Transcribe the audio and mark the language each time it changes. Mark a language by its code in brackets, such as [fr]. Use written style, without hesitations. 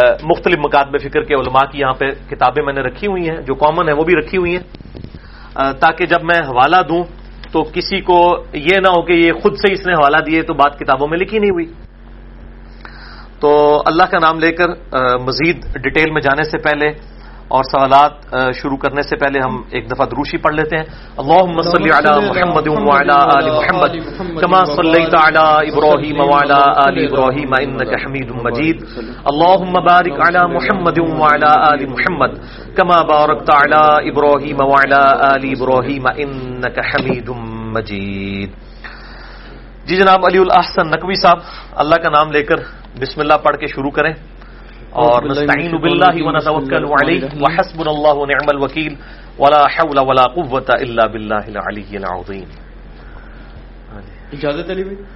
[ur] مختلف مکاتب فکر کے علماء کی یہاں پہ کتابیں میں نے رکھی ہوئی ہیں, جو کامن ہیں وہ بھی رکھی ہوئی ہیں, تاکہ جب میں حوالہ دوں تو کسی کو یہ نہ ہو کہ یہ خود سے اس نے حوالہ دیے تو بات کتابوں میں لکھی نہیں ہوئی. تو اللہ کا نام لے کر مزید ڈیٹیل میں جانے سے پہلے اور سوالات شروع کرنے سے پہلے ہم ایک دفعہ دروشی پڑھ لیتے ہیں. [ar] اللهم صل على محمد وعلى آل محمد كما صليت على ابراهيم وعلى آل ابراهيم انك حميد مجيد. اللهم بارك على محمد وعلى آل محمد كما باركت على ابراهيم وعلى آل ابراهيم انك حميد مجيد. [ur] جی جناب علی الاحسن نقوی صاحب, اللہ کا نام لے کر بسم اللہ پڑھ کے شروع کریں. [ar] اور نستعین باللہ ونتوکل علیہ وحسبنا اللہ ونعم الوکیل ولا حول ولا قوۃ الا باللہ العلی العظیم. [ur] اجازت علی بھائی؟